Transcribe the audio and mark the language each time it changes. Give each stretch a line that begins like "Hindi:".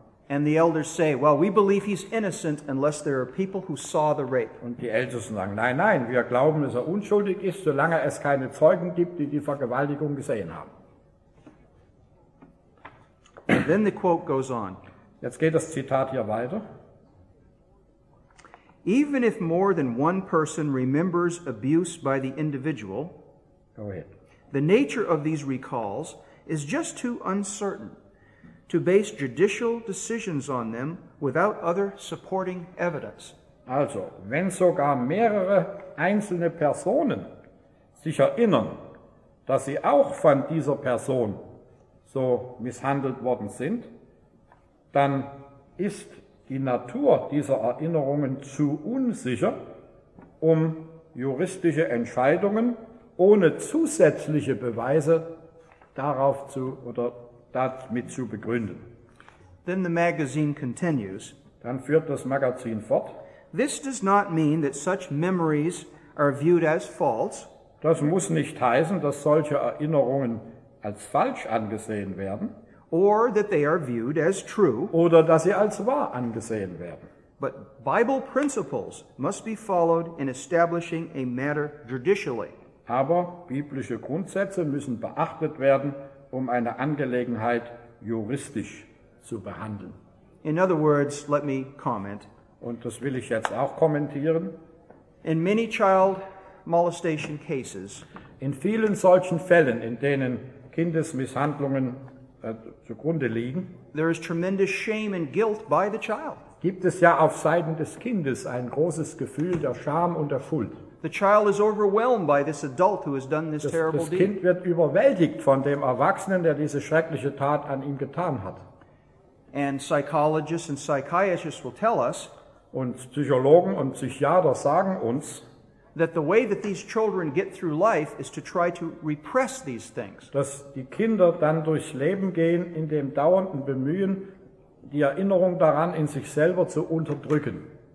English: And the elders say, well, we believe he's innocent unless there are people who saw the rape.
German: Und die Ältesten sagen, nein, nein, wir glauben, dass unschuldig ist, solange es keine Zeugen gibt, die die Vergewaltigung gesehen haben.
English: And then the quote goes on.
German: Jetzt geht das Zitat hier weiter.
English: Even if more than one person remembers abuse by the individual, go ahead. The nature of these recalls is just too uncertain to base judicial decisions on them without other supporting evidence.
German: Also, wenn sogar mehrere einzelne Personen sich erinnern, dass sie auch von dieser Person so misshandelt worden sind, dann ist die Natur dieser Erinnerungen zu unsicher, um juristische Entscheidungen ohne zusätzliche Beweise darauf zu oder damit zu begründen.
English: Then the magazine continues.
German: Dann führt das Magazin fort.
English: This does not mean that such memories are viewed as false.
German: Das muss nicht heißen, dass solche Erinnerungen als falsch angesehen werden.
English: Or that they are viewed as true.
German: Oder dass sie als wahr angesehen werden.
English: But Bible principles must be followed in establishing a matter judicially.
German: Aber biblische Grundsätze müssen beachtet werden, um eine Angelegenheit juristisch zu behandeln.
English: In other words, let me comment.
German: Und das will ich jetzt auch kommentieren.
English: In many child molestation cases,
German: in vielen solchen Fällen, in denen Kindesmisshandlungen zugrunde liegen,
English: there is tremendous shame and guilt by the child.
German: Gibt es ja auf Seiten des Kindes ein großes Gefühl der Scham und der Schuld.
English: The child is overwhelmed by this adult who has done this terrible deed.
German: Das Kind wird überwältigt von dem Erwachsenen, der diese schreckliche Tat an ihm getan hat.
English: And psychologists and psychiatrists will tell us,
German: und Psychologen und Psychiater sagen uns,
English: that the way that these children get through life is to try to repress these things.
German: Dass die Kinder dann durchs Leben gehen in dem dauernden Bemühen, die Erinnerung daran in sich selber zu unterdrücken.